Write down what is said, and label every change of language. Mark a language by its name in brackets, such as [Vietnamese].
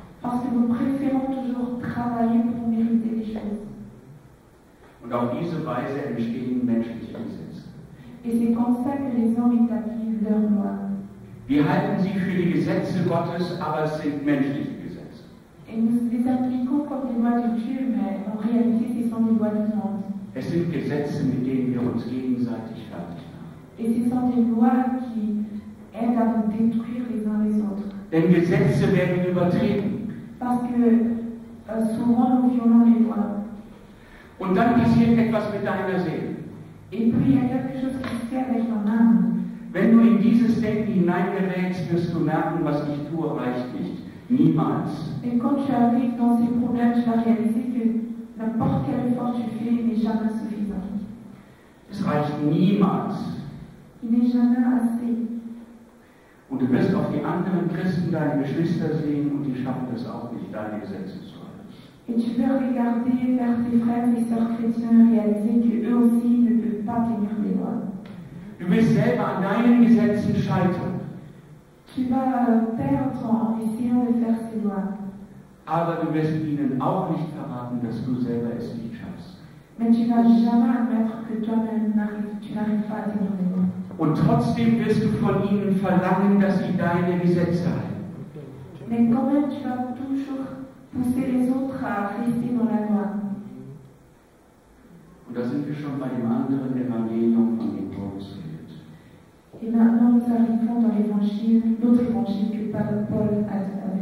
[French] Parce que nous préférons toujours travailler pour mériter les choses. [German] Und auf diese Weise entstehen menschliche Gesetze. [French] Et c'est comme ça que les hommes établissent leurs lois. [German] Wir halten sie für die Gesetze Gottes, aber es sind menschliche Gesetze. [French] Et nous les appliquons comme les lois de Dieu, mais en réalité, ce sont des lois de monde. [German] Es sind Gesetze, mit denen wir uns gegenseitig fertig machen. Denn Gesetze werden übertreten. [French] Parce que, souvent nous violons les lois. [German] Und dann passiert etwas mit deiner Seele. [French] Et puis, il y a quelque chose qui se fait avec mon âme. [German] Wenn du in dieses Denken hineingerätst, wirst du merken, was ich tue, reicht nicht. Niemals. [French] Et quand tu arrives dans ces problèmes, tu vas réaliser que n'importe quel effort tu fais n'est jamais suffisant. [German] Es reicht niemals. [French] Il n'est jamais assez. [German] Und du wirst auch die anderen Christen, deine Geschwister sehen und die schaffen es auch nicht, deine Gesetze zu halten. [French] Et tu peux regarder vers tes frères et sœurs chrétiens et réaliser qu'eux aussi ne peuvent pas tenir les lois. [German] Du wirst selber an deinen Gesetzen scheitern. [French] Tu vas perdre en essayant de faire ces lois. [German] Aber du wirst ihnen auch nicht verraten, dass du selber es nicht schaffst. [French] Mais tu vas jamais admettre que toi-même n'arrives pas à tenir les lois. [German] Und trotzdem wirst du von ihnen verlangen, dass sie deine Gesetze halten. [French] Mais quand même, tu vas toujours pousser les autres à rester dans la loi. [German] Und da sind wir schon bei dem anderen Evangelium von dem Paulus redet. [French] Et maintenant, nous arrivons dans l'évangile, l'autre évangile que Paul a dit.